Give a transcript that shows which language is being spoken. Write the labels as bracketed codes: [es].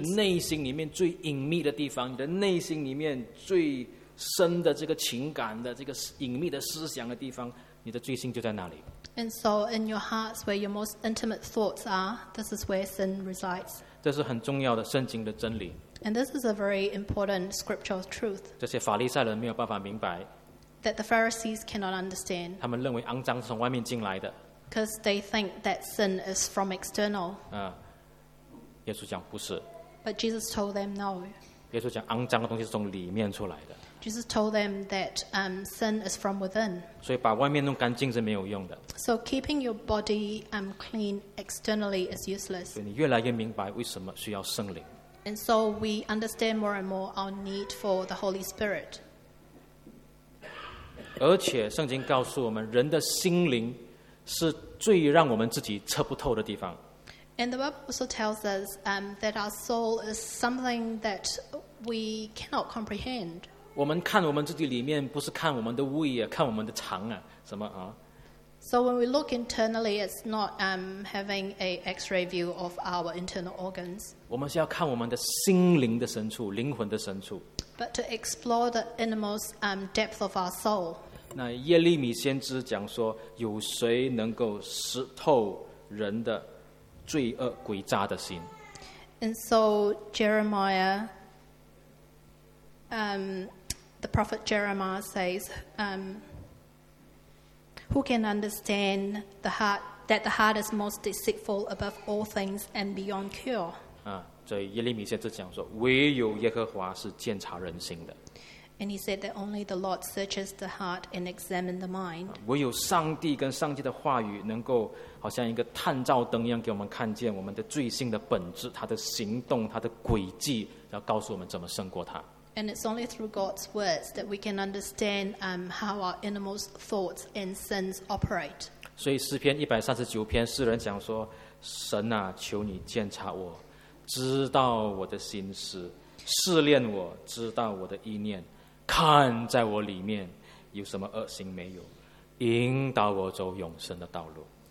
[zh] 你的内心里面最隐秘的地方，你的内心里面最深的这个情感的这个隐秘的思想的地方，你的罪性就在那里。 [en] And so, in your hearts where your most intimate thoughts are, this is where sin resides. [zh] 这是很重要的圣经的真理。 [en] And this is a very important scriptural truth. [zh] 这些法利赛人没有办法明白。 [en] That the Pharisees cannot understand. [zh] 他们认为肮脏是从外面进来的。 [en] Because they think that sin is from external. [zh] 啊，耶稣讲不是。 [en] But Jesus told them no. [zh] 耶稣讲肮脏的东西是从里面出来的。 [en] Jesus told them that sin is from within. [zh] 所以把外面弄干净是没有用的。 [en] So keeping your body clean externally is useless. [zh] 所以你越来越明白为什么需要圣灵。 [en] And so we understand more and more our need for the Holy Spirit. [zh] 而且圣经告诉我们，人的心灵是最让我们自己测不透的地方。 [en] And the Bible also tells us that our soul is something that we cannot comprehend. [zh] 我们看我们自己里面，不是看我们的胃啊，看我们的肠啊，什么啊？ [en] So when we look internally, it's not having a X-ray view of our internal organs. [zh] 我们是要看我们的心灵的深处，灵魂的深处。 [en] But to explore the innermost depth of our soul. [zh] 那耶利米先知讲说，有谁能够识透人的罪恶诡诈的心？ [en] And so Jeremiah, the prophet Jeremiah says, Who can understand the heart, that the heart is most deceitful above all things and beyond cure? [zh] 啊，所以耶利米先知讲说，唯有耶和华是鉴察人心的。 [en] And he said that only the Lord searches the heart and examines the mind. [zh] 唯有上帝跟上帝的话语能够好像一个探照灯一样给我们看见我们的罪性的本质，他的行动，他的轨迹，要告诉我们怎么胜过他。 [en] And it's only through God's words that we can understand how our innermost thoughts and sins operate. [zh] 所以诗篇139篇诗人讲说，神啊，求你鉴察我，知道我的心思，试炼我，知道我的意念，看在我里面有什么恶行没有，引导我走永生的道路。